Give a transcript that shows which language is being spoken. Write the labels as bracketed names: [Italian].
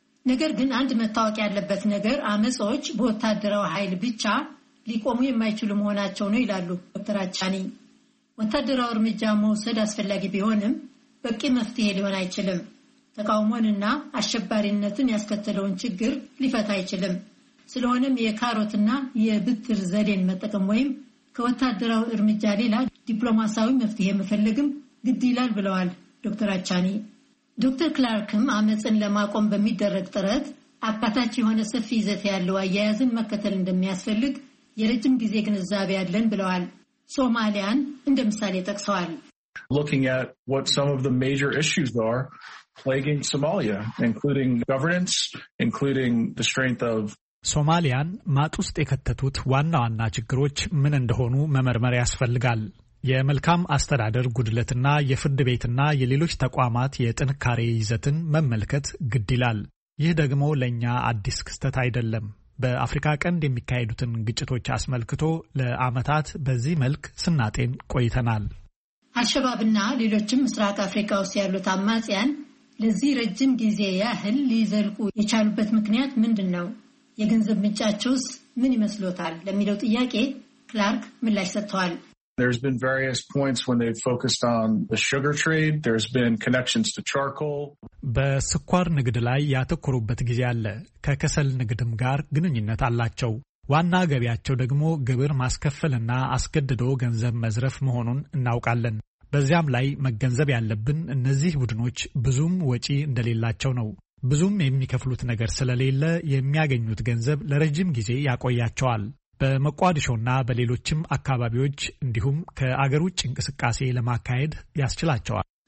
[Amharic] ነገር ግን አንድ መታወቅ ያለበት ነገር አመጾች በወታደራዊ ኃይል ብቻ ሊቆሙ የማይችሉ መሆናቸው ነው ይላሉ ዶክተር ኢቻኒ። ወታደራዊ እርምጃ መውሰድ አስፈላጊ ቢሆንም በቂ መፍትሄ ሊሆን አይችልም። ተቃውሞንና አሸባሪነትን ያስከተለውን ችግር ሊፈታ አይችልም። ስለሆነም የካሮትና የብትር ዘዴን መጠቀም ወይም ከወታደራዊ እርምጃ ሌላ ዲፕሎማሲያዊ መፍትሄ መፈለግም ግድ ይላል ብለዋል ዶክተር ኢቻኒ። ዶክተር ክላርክም አመጽን ለማቆም በሚደረግ ጥረት አካታች የሆነ ሰፊ ይዘት ያለው አያያዝን መከተል እንደሚያስፈልግ የረጅም ጊዜ ግንዛቤ ያለን ብለዋል። ሶማሊያን እንደ ምሳሌ ጠቅሰዋል። [English] Looking at what some of the major issues are plaguing Somalia, including governance, including the strength of [Amharic] ሶማሊያን ማጥ ውስጥ የከተቱት ዋና ዋና ችግሮች ምን እንደሆኑ መመርመር ያስፈልጋል። የመልካም አስተዳደር ጉድለትና የፍርድ ቤትና የሌሎች ተቋማት የጥንካሬ ይዘትን መመልከት ግድ ይላል። ይህ ደግሞ ለኛ አዲስ ክስተት አይደለም። በአፍሪካ ቀንድ የሚካሄዱትን ግጭቶች አስመልክቶ ለአመታት በዚህ መልክ ስናጤን ቆይተናል። አሸባብና ሌሎችም ምስራቅ አፍሪካ ውስጥ ያሉት አማጽያን ለዚህ ረጅም ጊዜ ያህል ሊዘልቁ የቻሉበት ምክንያት ምንድን ነው? የገንዘብ ምንጫቸውስ ምን ይመስሎታል ለሚለው ጥያቄ ክላርክ ምላሽ ሰጥተዋል። [English] There's been various points when they've focused on the sugar trade. There's been connections to charcoal. [Amharic] በስኳር ንግድ ላይ ያተኮሩበት ጊዜ አለ። ከከሰል ንግድም ጋር ግንኙነት አላቸው። ዋና ገቢያቸው ደግሞ ግብር ማስከፈልና አስገድዶ ገንዘብ መዝረፍ መሆኑን እናውቃለን። በዚያም ላይ መገንዘብ ያለብን እነዚህ ቡድኖች ብዙም ወጪ እንደሌላቸው ነው። ብዙም የሚከፍሉት ነገር ስለሌለ የሚያገኙት ገንዘብ ለረጅም ጊዜ ያቆያቸዋል። በመቋድሾና በሌሎችም አካባቢዎች እንዲሁም ከአገር ውጭ እንቅስቃሴ ለማካሄድ ያስችላቸዋል።